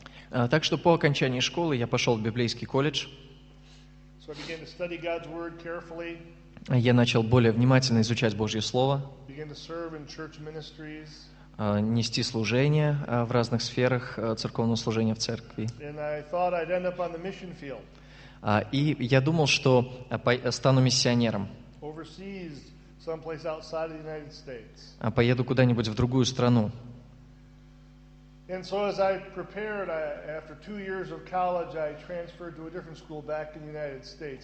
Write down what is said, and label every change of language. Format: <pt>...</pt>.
<ru>Так что по окончании школы я пошел в библейский колледж.</ru> <en>So I began to study God's word carefully.</en> <ru>Я начал более внимательно изучать Божье Слово.</ru> <en>Began to serve in church ministries.</en> <ru>Нести служение в разных сферах церковного служения в церкви.</ru> <en>And I thought I'd end up on the mission field.</en> <ru>И я думал, что стану миссионером.</ru> <en>Overseas, someplace outside of the United States.</en> <ru>Поеду куда-нибудь в другую страну.</ru> <en>And so as I prepared, after 2 years of college, I transferred to a different school back in the United States.</en>